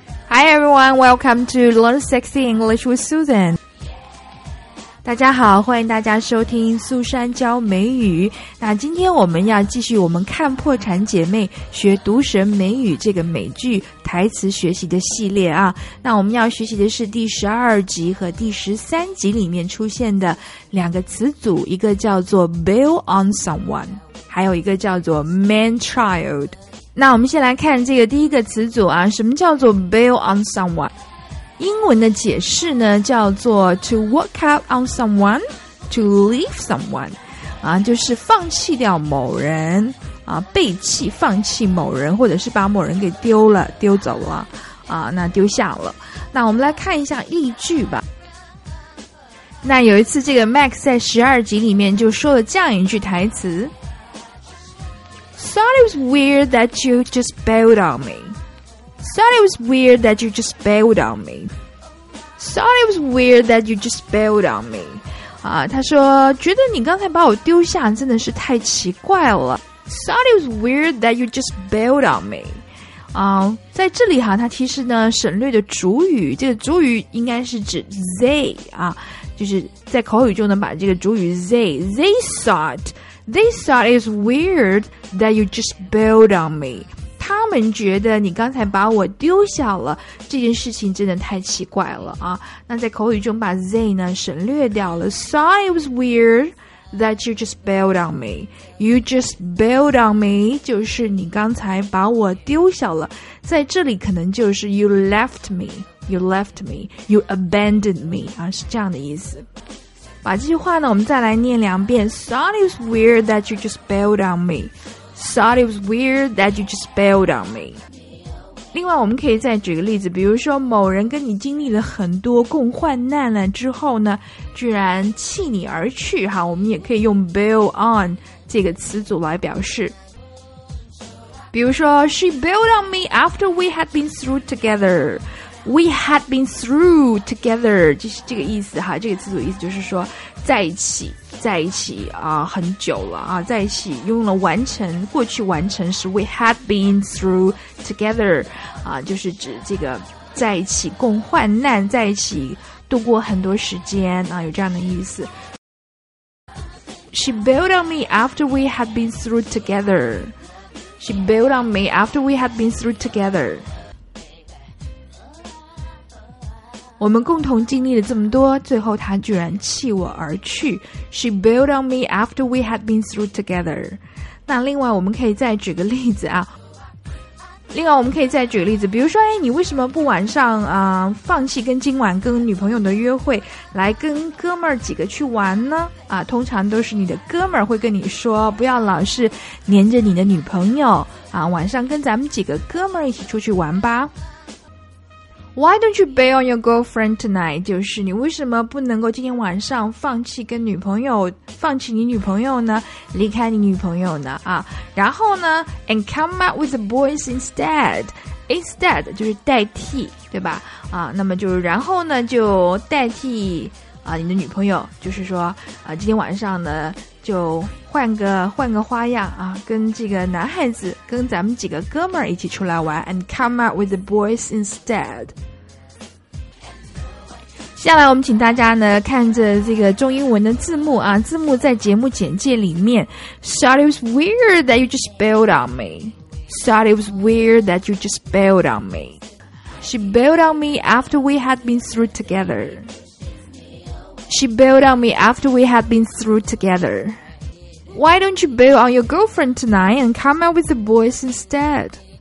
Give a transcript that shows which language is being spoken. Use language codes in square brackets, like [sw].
[en] everyone, welcome to Learn Sexy English with Susan. [zh] 大家好，欢迎大家收听苏珊教美语。那今天我们要继续我们看破产姐妹学毒舌美语这个美剧台词学习的系列啊。那我们要学习的是第12集和第13集里面出现的两个词组，一个叫做 bail on someone， 还有一个叫做 man child。那我们先来看这个第一个词组啊，什么叫做 bail on someone？英文的解释呢叫做 [en] to work out on someone, to leave someone, [zh] 啊就是放弃掉某人啊，背弃放弃某人，或者是把某人给丢了丢走了啊，那丢下了。那我们来看一下例句吧。那有一次这个 Max 在12集里面就说了这样一句台词。 [en] Thought it was weird that you just bailed on me. Thought it was weird that you just bailed on me. [zh] 啊，他说觉得你刚才把我丢下真的是太奇怪了。 [en] Thought it was weird that you just bailed on me. [zh] 啊，在这里哈，他其实呢省略的主语，这个主语应该是指 they 啊，就是在口语中呢把这个主语 [en] they thought it was weird that you just bailed on me. [zh] 他们觉得你刚才把我丢下了，这件事情真的太奇怪了啊！那在口语中把 they 呢省略掉了。 [en] Thought it was weird that you just bailed on me. You just bailed on me， [zh] 就是你刚才把我丢下了。在这里可能就是 [en] you abandoned me [zh] 啊，是这样的意思。把这句话呢，我们再来念两遍。 [en] Thought it was weird that you just bailed on me. Thought it was weird that you just bailed on me. [zh] 另外我们可以再举个例子，比如说某人跟你经历了很多共患难了之后呢，居然弃你而去哈，我们也可以用 bail on 这个词组来表示。比如说 [en] She bailed on me after we had been through together. We had been through together， [zh] 就是这个意思哈，这个词组意思就是说在一起在一起啊，很久了啊，在一起用了完成，过去完成时 [en] we had been through together， [zh] 啊，就是指这个在一起共患难，在一起度过很多时间啊，有这样的意思。 [en] She bailed on me after we had been through together. She bailed on me after we had been through together. [zh] 我们共同经历了这么多，最后他居然弃我而去。 [en] She bailed on me after we had been through together. [zh] 那另外我们可以再举个例子啊。另外我们可以再举个例子，比如说，哎，你为什么不晚上啊，放弃跟今晚跟女朋友的约会，来跟哥们儿几个去玩呢？啊，通常都是你的哥们儿会跟你说，不要老是黏着你的女朋友啊，晚上跟咱们几个哥们儿一起出去玩吧。 [en] Why don't you bail on your girlfriend tonight? [zh] 就是你为什么不能够今天晚上放弃跟女朋友，放弃你女朋友呢？离开你女朋友呢？啊，然后呢 ？ [en] And come out with the boys instead. [zh] Instead 就是代替，对吧？啊，那么就然后呢，就代替啊你的女朋友，就是说啊今天晚上呢就换个花样啊，跟这个男孩子跟咱们几个哥们儿一起出来玩 [en] and come out with the boys instead。 [zh] 接下来我们请大家呢看着这个中英文的字幕啊，字幕在节目简介里面。 [en] Thought it was weird that you just bailed on me. Thought it was weird that you just bailed on me. She bailed on me after we had been through togetherShe bailed on me after we had been through together. Why don't you bail on your girlfriend tonight and come out with the boys instead?